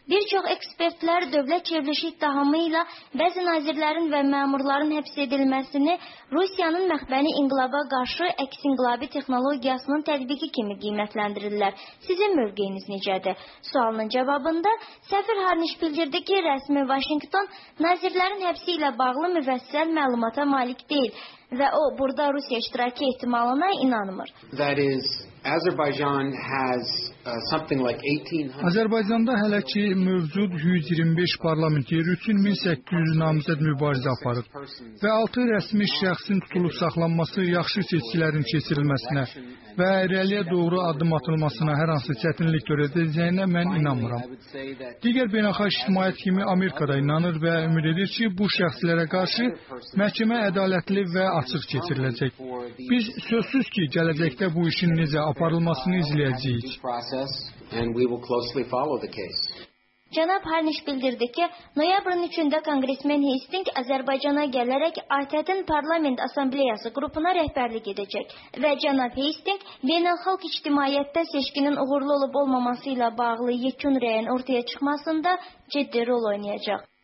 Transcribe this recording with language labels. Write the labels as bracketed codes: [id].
[az] Bir çox ekspertlər dövlət çevrilişi ittihamı ilə bəzi nazirlərin və məmurların həbs edilməsini Rusiyanın məni inqilaba qarşı əks inqilabi texnologiyasının tətbiqi kimi qiymətləndirirlər. Sizin mövqeyiniz necədir? Sualının cavabında səfir Harnish bildirdi ki, rəsmi Vaşinqton nazirlərin həbsi ilə bağlı müvəssəl məlumata malik deyil və o burada Rusiya iştirakı ehtimalına inanmır. [en] That is Azerbaijan has something like 1800. [az] Azərbaycanda hələ ki mövcud 125 parlament yeri üçün 1800 namizəd mübarizə aparır və 6 rəsmi şəxsin tutulub saxlanması, yaxşı seçkilərin keçirilməsinə və irəliyə doğru addım atılmasına hər hansı çətinlik törədəcəyinə mən inanmıram. Digər beynəlxalq ictimaiyyət kimi Amerikada inanır və ümid edir ki, bu şəxslərə qarşı məhkəmə ədalətli və açıq keçiriləcək. Biz sözsüz ki, gələcəkdə bu işin necə aparılmasını izləyəcəyik. [en] And we will closely follow the case. [az] Cənab Harnish bildirdi ki, noyabrın 3-də Kongresmen Hastings Azərbaycana gələrək ATƏT-in Parlament Assambleyası qrupuna rəhbərlik edəcək və cənab Hastings beynəlxalq ictimaiyyətdə seçkinin uğurlu olub olmaması ilə bağlı yekun rəyin ortaya çıxmasında ciddi rol oynayacaq.